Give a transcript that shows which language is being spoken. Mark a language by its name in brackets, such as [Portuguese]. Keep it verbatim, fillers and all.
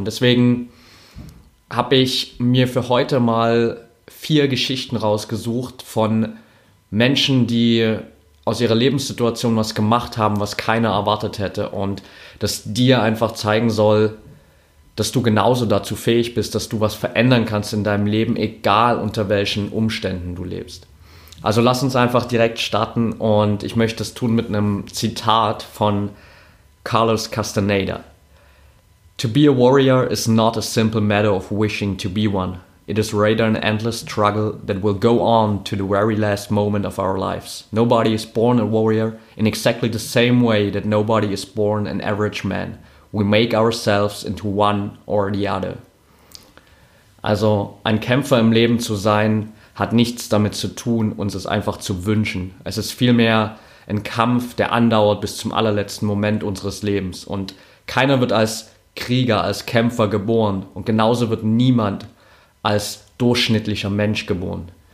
[German] Und deswegen habe ich mir für heute mal vier Geschichten rausgesucht von Menschen, die aus ihrer Lebenssituation was gemacht haben, was keiner erwartet hätte und das dir einfach zeigen soll, dass du genauso dazu fähig bist, dass du was verändern kannst in deinem Leben, egal unter welchen Umständen du lebst. Also lass uns einfach direkt starten und ich möchte es tun mit einem Zitat von Carlos Castaneda. [English] To be a warrior is not a simple matter of wishing to be one. It is rather an endless struggle that will go on to the very last moment of our lives. Nobody is born a warrior in exactly the same way that nobody is born an average man. We make ourselves into one or the other. [German] Also ein Kämpfer im Leben zu sein, hat nichts damit zu tun, uns es einfach zu wünschen. Es ist vielmehr ein Kampf, der andauert bis zum allerletzten Moment unseres Lebens. Und keiner wird als Krieger, als Kämpfer geboren. Und genauso wird niemand als durchschnittlicher Mensch geboren.